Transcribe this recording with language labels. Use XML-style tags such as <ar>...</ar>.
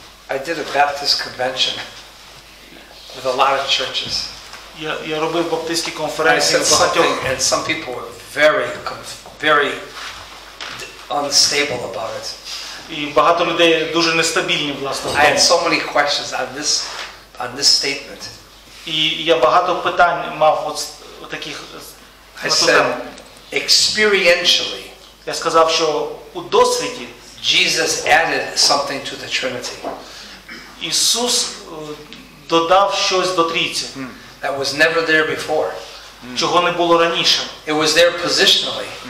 <en>I did a Baptist convention with a lot of churches.</en> <uk>Я робив баптистські конференції з багатьох.</uk> <en>And some people were very, very unstable about it.</en> <uk>І багато людей дуже нестабільні, власне.</uk> <en>I had so many questions on this statement.</en> <uk>І я багато питань мав от таких.</uk> <en>I said, experientially.</en> <uk>Я сказав, що у досвіді</uk> <en>Jesus added something to the Trinity.</en> <uk>Ісус додав щось до Трійці.</uk> <en>That was never there before.</en> <uk>Чого не було раніше.</uk> <en>It was there positionally.</en>